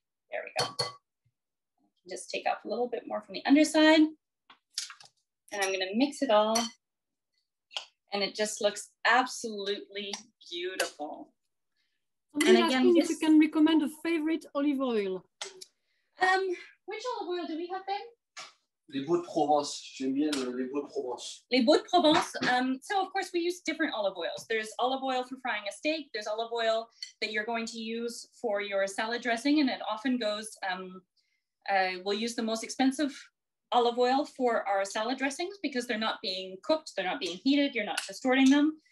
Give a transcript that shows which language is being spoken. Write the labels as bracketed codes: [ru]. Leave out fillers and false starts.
[en] There we go. Just take off a little bit more from the underside and I'm gonna mix it all. And it just looks absolutely beautiful. Somebody and again, if you can recommend a favorite olive oil. Which olive oil do we have then? [fr] Les Baux de Provence, j'aime bien les Baux de Provence. [en] Les Baux de Provence, so of course we use different olive oils. There's olive oil for frying a steak, there's olive oil that you're going to use for your salad dressing, and it often goes, we'll use the most expensive olive oil for our salad dressings because they're not being cooked, they're not being heated, you're not distorting them.